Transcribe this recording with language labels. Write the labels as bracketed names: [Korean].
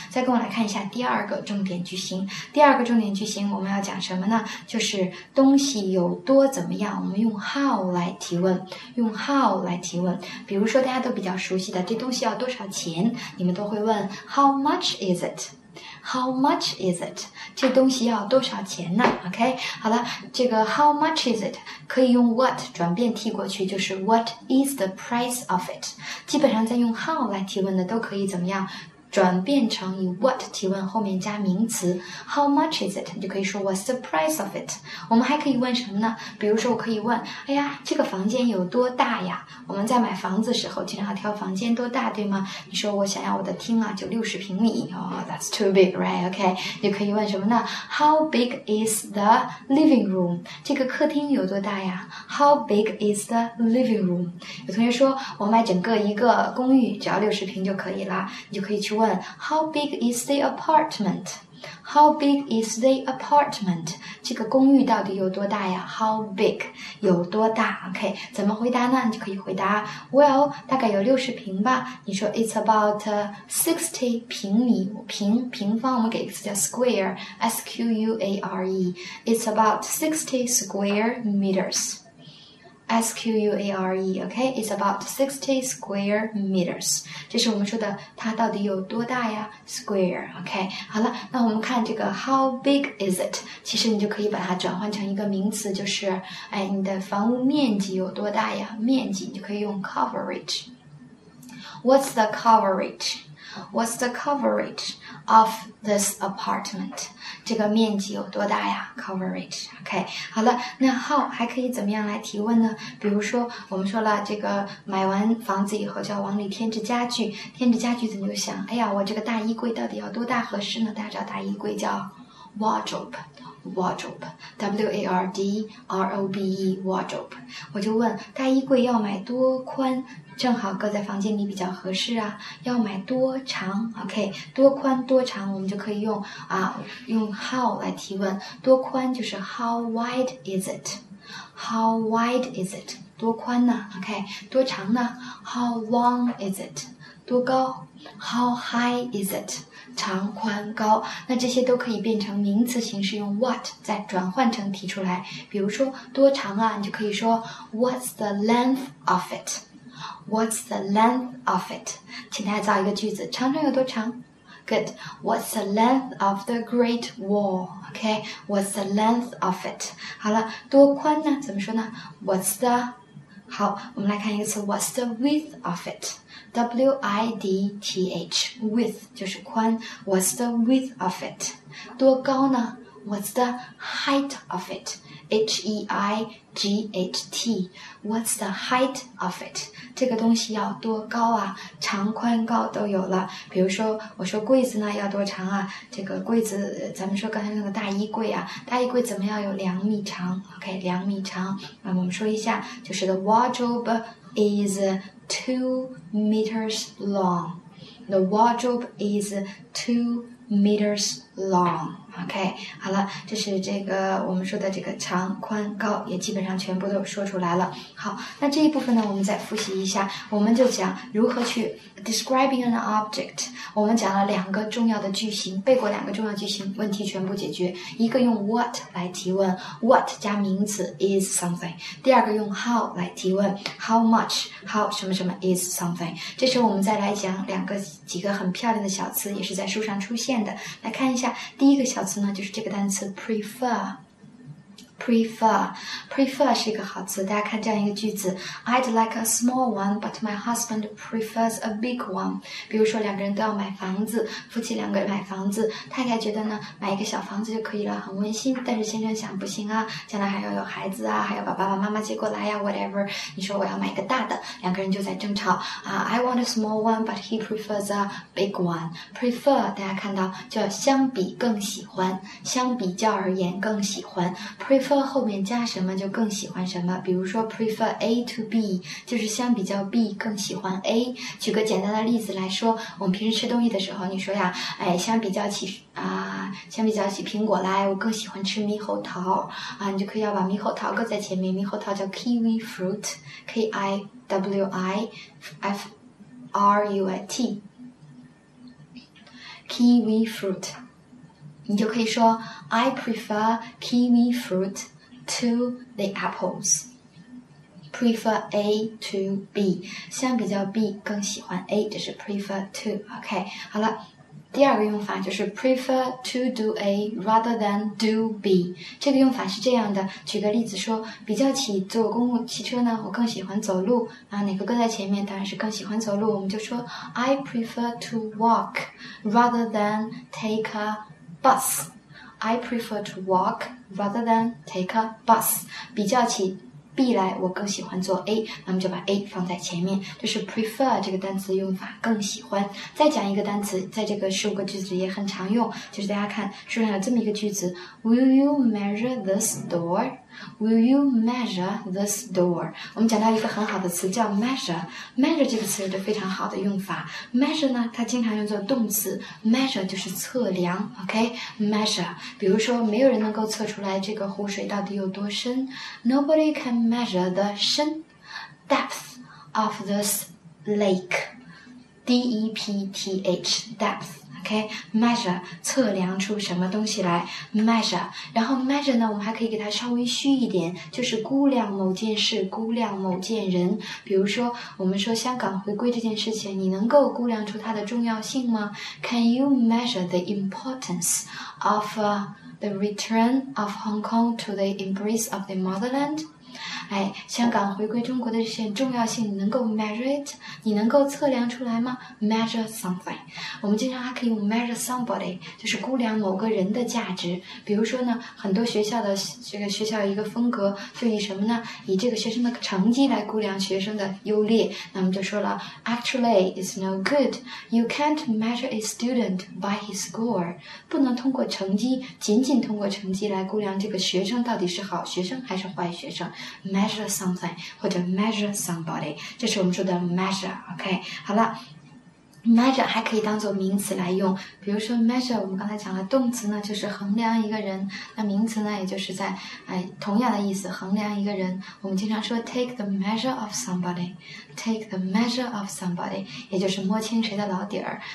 [Chinese] 再跟我来看一下第二个重点句型。第二个重点句型我们要讲什么呢？就是东西有多怎么样，我们用 how 来提问，用 how 来提问。比如说大家都比较熟悉的，这东西要多少钱，你们都会问 [English] how much is it？ How much is it？ [Chinese] 这东西要多少钱呢？ OK， 好了，这个 [English] how much is it [Chinese] 可以用 what 转变替过去，就是 [English] what is the price of it。 [Chinese] 基本上在用 how 来提问的都可以怎么样转变成以 what 提问后面加名词。 [English] How much is it [Chinese] 你就可以说 [English] What's the price of it。 [Chinese] 我们还可以问什么呢？比如说我可以问，哎呀，这个房间有多大呀。我们在买房子时候经常要挑房间多大，对吗？你说我想要我的厅啊就60平米。 [English] Oh that's too big right。 [Chinese] OK， 你就可以问什么呢？ [English] How big is the living room， [Chinese] 这个客厅有多大呀。 [English] How big is the living room。 [Chinese] 有同学说我买整个一个公寓只要60平就可以了，你就可以去问 [English] How big is the apartment? How big is the apartment? [Chinese] 这个公寓到底有多大呀？ How big 有多大？OK， 怎么回答呢？你就可以回答 Well， 大概有60平吧。你说 [English] It's about [Chinese] 60平米，平方我们给一个词叫 square， S-Q-U-A-R-E。 [English] It's about 60 square meters。 S-Q-U-A-R-E, OK? It's about 60 square meters. [Chinese] 这是我们说的它到底有多大呀？Square, OK? 好了，那我们看这个 [English] How big is it? [Chinese] 其实你就可以把它转换成一个名词，就是哎，你的房屋面积有多大呀？面积你就可以用 coverage. [English] What's the coverage? What's the coverage of this apartment? [Chinese] 这个面积有多大呀？Coverage. OK, 好了，那 how 还可以怎么样来提问呢？比如说我们说了，这个买完房子以后就要往里添置家具，添置家具怎么就想，哎呀，我这个大衣柜到底要多大合适呢？大家知道大衣柜叫 wardrobe。 [English] Wardrobe, W-A-R-D-R-O-B-E, wardrobe. [Chinese] 我就问大衣柜要买多宽，正好搁在房间里比较合适啊。要买多长 ？OK, 多宽多长，我们就可以用啊，用 how 来提问。多宽就是 [English] how wide is it? How wide is it? [Chinese] 多宽呢 [English] ？OK, [Chinese] 多长呢 [English] ？How long is it? [Chinese] 多高 [English] ？How high is it? [Chinese] 长宽高，那这些都可以变成名词形式，用 what 再转换成提出来。比如说多长啊，你就可以说 [English] What's the length of it? What's the length of it? [Chinese] 请大家造一个句子，长城有多长？ [English] Good. What's the length of the Great Wall? OK. What's the length of it? [Chinese] 好了，多宽呢？怎么说呢？ [English] What's the [Chinese] 好，我们来看一个词， [English] What's the width of it? [Chinese] W-I-D-T-H, width 就是宽。 [English] What's the width of it? [Chinese] 多高呢？ [English] What's the height of it? H-E-I-G-H-T, What's the height of it? [Chinese] 这个东西要多高啊？长宽高都有了。比如说我说柜子呢要多长啊，这个柜子咱们说刚才那个大衣柜啊，大衣柜怎么样有2米长？ OK, 两米长。那么我们说一下，就是 [English] the wardrobe is 2 meters long. The wardrobe is 2 meters long. [Chinese] OK, 好了，这是这个我们说的这个长宽高也基本上全部都说出来了。好，那这一部分呢我们再复习一下，我们就讲如何去 [English] describing an object。 [Chinese] 我们讲了两个重要的句型，背过两个重要句型，问题全部解决。一个用 what 来提问， what 加名词 is something。第二个用 how 来提问， how much， how 什么什么 is something。这时候我们再来讲两个几个很漂亮的小词，也是在书上出现的，来看一下。第一个小词呢就是这个单词 prefer 是一个好词。大家看这样一个句子， [English] I'd like a small one but my husband prefers a big one。 [Chinese] 比如说两个人都要买房子，夫妻两个人买房子，太太觉得呢买一个小房子就可以了，很温馨，但是先生想不行啊，将来还要有孩子啊，还要把爸爸妈妈接过来呀、啊、whatever。你说我要买一个大的，两个人就在争吵啊。 [English] I want a small one but he prefers a big one。 [Chinese] prefer 大家看到就要相比更喜欢，相比较而言更喜欢。 prefer prefer 后面加什么就更喜欢什么，比如说 [English] prefer A to B [Chinese] 就是相比较 B 更喜欢 A。举个简单的例子来说，我们平时吃东西的时候，你说呀，哎，相比较起苹果来，我更喜欢吃猕猴桃啊，你就可以要把猕猴桃搁在前面，猕猴桃叫 kiwi fruit， kiwifruit， kiwi fruit。 [English] 你就可以说 I prefer kiwi fruit to the apples. Prefer A to B. [Chinese] 相比较 B 更喜欢 A， 这是 prefer to. [English] OK， [Chinese] 好了，第二个用法就是 [English] prefer to do A rather than do B. [Chinese] 这个用法是这样的，举个例子说，比较起坐公共汽车呢，我更喜欢走路。啊，哪个搁在前面？当然是更喜欢走路。我们就说 [English] I prefer to walk rather than take a bus. I prefer to walk rather than take a bus. [Chinese] 比较起 B 来，我更喜欢坐 A， 那么就把 A 放在前面，就是 prefer 这个单词用法，更喜欢。再讲一个单词，在这个15个句子里也很常用，就是大家看书上有这么一个句子， [English] Will you measure this door? Will you measure this door? [Chinese] 我们讲到一个很好的词叫 measure， measure 这个词有着非常好的用法。 measure 呢，它经常用作动词， measure 就是测量， OK， measure。比如说没有人能够测出来这个湖水到底有多深， [English] Nobody can measure the [Chinese] 深 [English] depth of this lake， [Chinese] D-E-P-T-H depth。 Okay, measure 测量出什么东西来 ，measure。然后 measure 呢，我们还可以给它稍微虚一点，就是估量某件事，估量某件人。比如说，我们说香港回归这件事情，你能够估量出它的重要性吗 [English] ？Can you measure the importance of the return of Hong Kong to the embrace of the motherland？ [Chinese] 哎，香港回归中国的这些重要性，你能够 measure it？你能够测量出来吗 ？Measure something。我们经常还可以用 measure somebody， 就是估量某个人的价值。比如说呢，很多学校的这个学校一个风格，就以什么呢？以这个学生的成绩来估量学生的优劣。 [English] 那么就说了 ，Actually, it's no good. You can't measure a student by his score. [Chinese] 不能通过成绩，仅仅通过成绩来估量这个学生到底是好学生还是坏学生。 Measure something 或者 measure somebody， 这是我们说的 measure。 OK， 好了， measure 还可以当做名词来用。比如说 measure， 我们刚才讲了动词呢就是衡量一个人，那名词呢也就是在同样的意思，衡量一个人。我们经常说 [English] take the measure of somebody， [Chinese] take the measure of somebody 也就是摸清谁的老底儿。